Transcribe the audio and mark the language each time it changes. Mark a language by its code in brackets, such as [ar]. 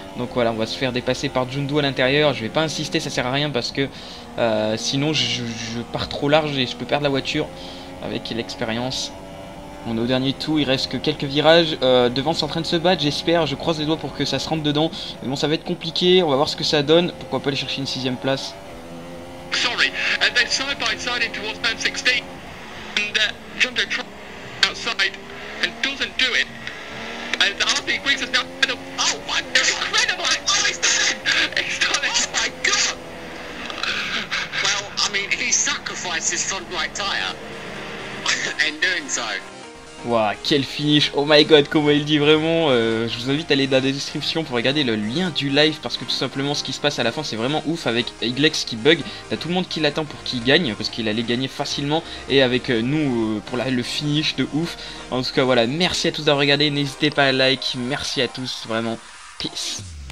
[fr] Donc voilà, on va se faire dépasser par Jundu à l'intérieur. Je vais pas insister, ça sert à rien, parce que sinon je pars trop large et je peux perdre la voiture avec l'expérience. On est au dernier tour, il reste que quelques virages. Devant, c'est en train de se battre, j'espère, je croise les doigts pour que ça se rentre dedans. Mais bon, ça va être compliqué, on va voir ce que ça donne. Pourquoi pas aller chercher une 6ème place. [en] Sorry, they're side by side into what's turn 16. And Jundu tried. Outside and doesn't do it. And RB Griggs is now in the. Oh, what? They're incredible! Oh, he's done it! He's done it! Oh my god! Well, I mean, he sacrificed his front right tire in doing so. [fr] Waouh, quel finish, [en] oh my god, [fr] comment il dit vraiment. Je vous invite à aller dans la description pour regarder le lien du live, parce que tout simplement ce qui se passe à la fin c'est vraiment ouf, avec Iglex qui bug, t'as tout le monde qui l'attend pour qu'il gagne, parce qu'il allait gagner facilement, et avec nous pour le finish de ouf. En tout cas voilà, merci à tous d'avoir regardé, n'hésitez pas à like, merci à tous, vraiment, peace.